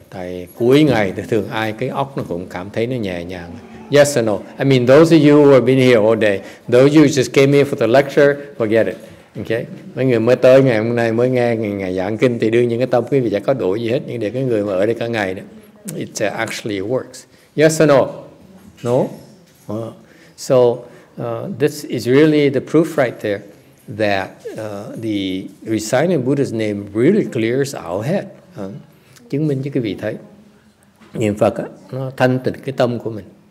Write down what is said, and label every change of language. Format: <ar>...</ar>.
<vi>Tại cuối ngày thì thường ai cái óc nó cũng cảm thấy nó nhẹ nhàng.</vi> <en>Yes or no? I mean, those of you who have been here all day, those of you who just came here for the lecture, forget it. Okay.</en> <vi>Mấy người mới tới ngày hôm nay mới nghe ngày giảng kinh thì đương nhiên cái tâm quý vị chẳng có đổi gì hết. Nhưng để cái người mà ở đây cả ngày đó,</vi> <en>it actually works. Yes or no? No. So this is really the proof right there that the reciting Buddha's name really clears our head.</en> <vi>Chứng minh cho quý vị thấy niệm Phật á, nó thanh tịnh cái tâm của mình.</vi>